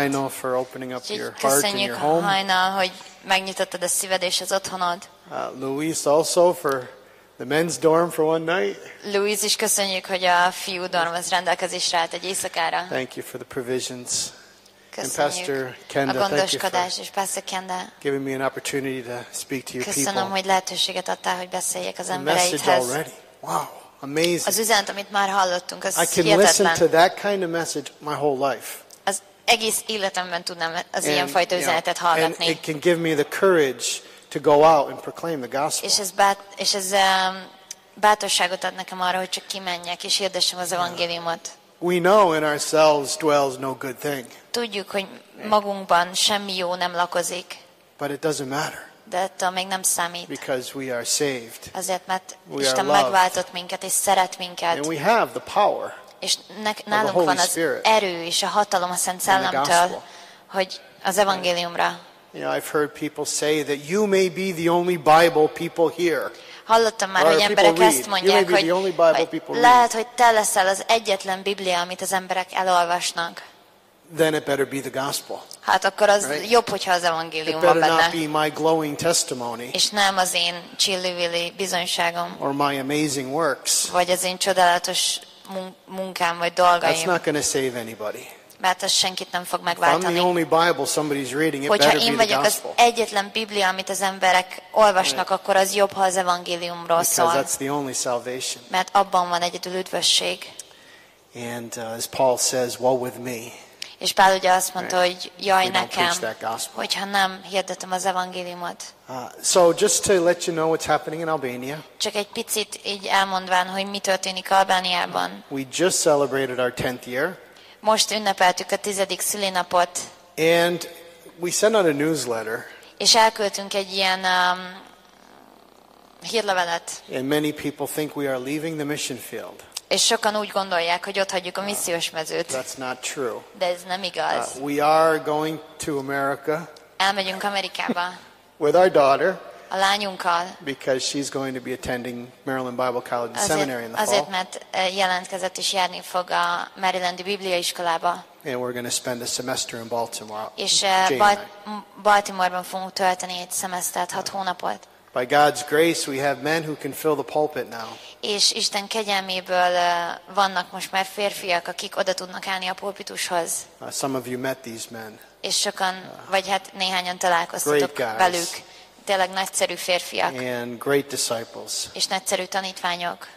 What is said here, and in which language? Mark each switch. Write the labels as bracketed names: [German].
[English] Heino, for opening up your heart and your home. [Hungarian] Heino, hogy megnyitottad a szíved és az otthonod. [English] Luis also for the men's dorm for one night. [Hungarian] Luis is köszönjük, hogy a fiú dormhoz rendelkezésre állt egy éjszakára. [English] Thank you for the provisions. [Hungarian] Köszönjük. [English] And Pastor Kenda, [Hungarian] a gondoskodás és Pastor Kenda. [English] Giving me an opportunity to speak to your [Hungarian] köszönöm, [English] people. [Hungarian] Köszönöm, hogy lehetőséget adtál, hogy beszéljek az [English] the [Hungarian] embereidhez. [English] Message already. Wow. Amazing. [Hungarian] Az üzenet, amit már hallottunk, az [English] I can [Hungarian] hihetetlen. [English] Listen to that kind of message my whole life. [Hungarian] Az egész életemben tudnám az ilyen fajta üzenetet hallgatni. [English] And it can give me the courage to go out and proclaim the gospel. [Hungarian] És ez bátorságot ad nekem arra, hogy csak kimenjek és hirdessem az evangéliumot. [English] We know in ourselves dwells no good thing. [Hungarian] Tudjuk, hogy magunkban semmi jó nem lakozik. [English] But it doesn't matter. [Hungarian] De attól még nem számít. [English] Because we are saved. [Hungarian] Azért, mert Isten megváltott minket és szeret minket. [English] And we have the power. [Hungarian] És nálunk van az erő és a hatalom a Szent Szellemtől, hogy az evangéliumra. [English] You know, I've heard people say that you may be the only Bible people here. [Hungarian] Hallottam már, hogy emberek ezt mondják, hogy lehet, hogy te leszel az egyetlen Biblia, amit az emberek elolvasnak. [English] Then it better be the gospel. [Hungarian] Hát akkor az [English] right? [Hungarian] jobb, hogyha az evangélium van benne. [English] It better not be my glowing testimony. [Hungarian] És nem az én csillivili bizonyságom. [English] Or my amazing works. [Hungarian] Vagy az én csodálatos munkám vagy dolgaim. [English] That's not going to save anybody. [Hungarian] Mert az senkit nem fog megváltani. [English] I'm the only Bible somebody's reading, it [Hungarian] hogyha [English] better [Hungarian] én vagyok [English] be the gospel. [Hungarian] Az egyetlen Biblia, amit az emberek olvasnak, [English] right. [Hungarian] akkor az jobb, ha az evangéliumról [English] Because [Hungarian] szól. [English] Because that's the only salvation. [Hungarian] Mert abban van egyedül üdvösség. [English] And as Paul says, woe with me. [Hungarian] És Pál ugye azt mondta, [English] right. [Hungarian] hogy jaj nekem, hogyha nem hirdetem az evangéliumot. [English] So just to let you know what's happening in Albania. [Hungarian] Csak egy picit így elmondván, hogy mi történik Albániában. [English] We just celebrated our 10th year. [Hungarian] Most ünnepeltük a 10. szülinapot. [English] And we sent out a newsletter. [Hungarian] És elküldtünk egy ilyen hírlevelet. [English] And many people think we are leaving the mission field. [Hungarian] És sokan úgy gondolják, hogy ott hagyjuk a missziós mezőt. [English] That's not true. [Hungarian] De ez nem igaz. [English] We are going to America. [Hungarian] Elmegyünk Amerikába. [English] With our daughter. [Hungarian] A lányunkkal. [English] Because she's going to be attending Maryland Bible College and Seminary in the fall. [Hungarian] Azért, mert jelentkezett és járni fog a Marylandi Bibliaiskolába. [English] And we're going to spend a semester in Baltimore. [Hungarian] És Baltimoreban fogunk tölteni egy szemesztert, 6 hónapot. [English] By God's grace, we have men who can fill the pulpit now. [Hungarian] És Isten kegyelméből vannak most már férfiak, akik oda tudnak állni a pulpitushoz. [English] Some of you met these men. [Hungarian] És sokan, vagy hát néhányan találkoztatok velük. Tényleg nagyszerű férfiak. [English] And great disciples. [Hungarian] És nagyszerű tanítványok.